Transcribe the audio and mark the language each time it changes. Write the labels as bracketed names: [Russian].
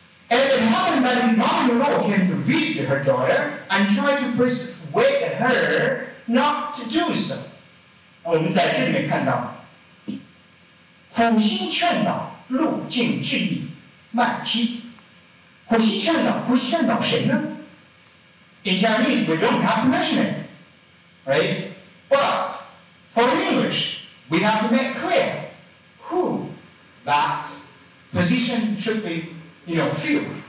[English] And it happened that his mother-in-law came to visit her daughter and tried to persuade her not to do so. [Chinese] 我们在这里面看到，苦心劝导，路径之一，卖妻。苦心劝导，苦心劝导谁呢？ [English] In Chinese, we don't have to mention it, right? But for English,We have to make clear who that position should be, you know, filled.